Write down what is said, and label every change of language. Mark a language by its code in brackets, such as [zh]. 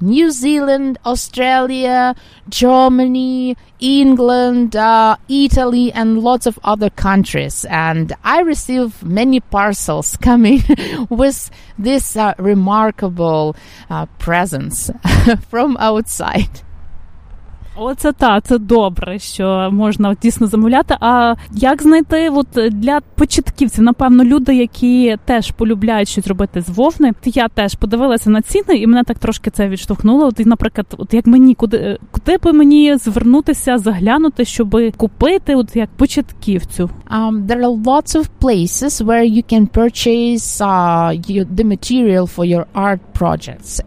[en] New Zealand, Australia, Germany, England, Italy, and lots of other countries. And I receive many parcels coming with this remarkable presence from outside. [uk] Оце так, це добре, що можна дійсно замовляти. А як знайти от для початківців, напевно, люди, які теж полюбляють щось робити з вовни? Я теж подивилася на ціни, і мене так трошки це відштовхнуло. От, наприклад, от як мені, куди би мені звернутися, заглянути, щоб купити от як початківцю? [en] There are lots of places where you can purchase the material for your art projects.